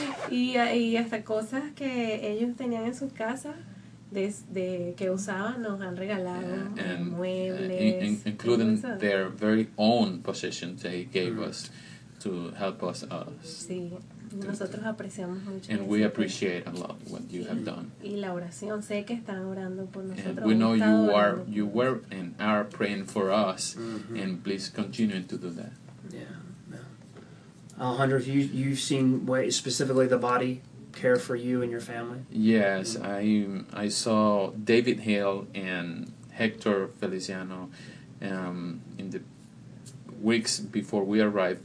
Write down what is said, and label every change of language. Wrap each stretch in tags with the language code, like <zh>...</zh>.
<es>Y hasta cosas que ellos tenían en sus casas, desde que usaban, nos han regalado muebles.</es> <en>Including their very own possessions they gave us to help us.</en> <es>Sí. Nosotros apreciamos mucho.</es> <en>And we appreciate a lot what you have done.</en> <es>Y la oración, sé que están orando por nosotros.</es> <en>And we know you were and are praying for us, mm-hmm. and please continue to do that. Yeah. Alejandro, you've seen specifically the body care for you and your family? Yes, mm-hmm. I saw David Hill and Hector Feliciano in the weeks before we arrived.</en>